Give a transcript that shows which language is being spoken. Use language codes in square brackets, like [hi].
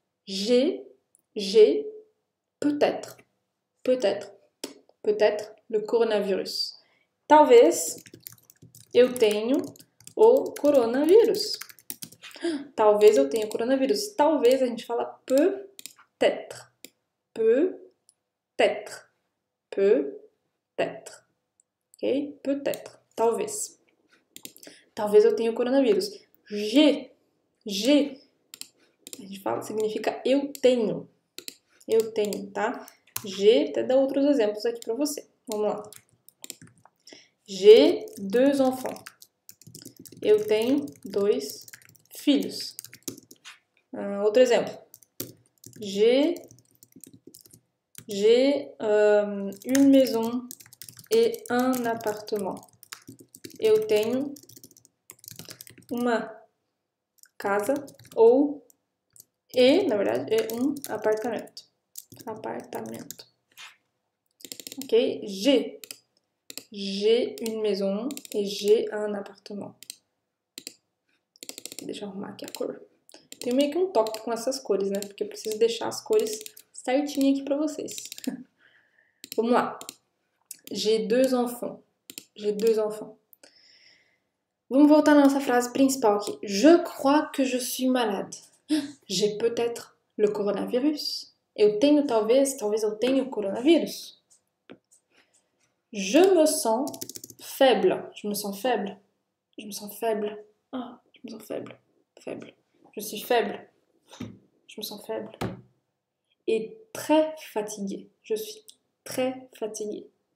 [fr] J'ai peut-être, peut-être, peut-être le coronavirus. [pt] Talvez eu tenho o coronavirus. Talvez eu tenha o coronavírus. Talvez a gente fala peut-être. [fr] Peut-être. Peut-être. Ok? Peut-être. Talvez. [pt] Talvez eu tenha o coronavírus. G. A gente fala, significa eu tenho. Eu tenho, tá? G, até dá outros exemplos aqui para você. Vamos lá. [fr] J'ai deux enfants. [pt] Eu tenho dois filhos. Outro exemplo. [fr] J'ai une maison et un appartement. [pt] Eu tenho uma casa ou e, na verdade, é um apartamento. Apartamento. Ok? [fr] J'ai une maison et j'ai un appartement. [pt] Deixa eu arrumar aqui a cor. Tenho meio que um toque com essas cores, né? Porque eu preciso deixar as cores certinho aqui pra vocês. Vamos lá. [fr] J'ai deux enfants. J'ai deux enfants. [pt] Vamos voltar na nossa frase principal aqui. [fr] Je crois que je suis malade. J'ai peut-être le coronavirus. [pt] Eu tenho talvez eu tenha o coronavírus. [fr] Je me sens faible. Je me sens faible. Je me sens faible. Ah, je me sens faible. Faible. Je suis faible. Je me sens faible. Et très fatigué. Je suis très fatigué.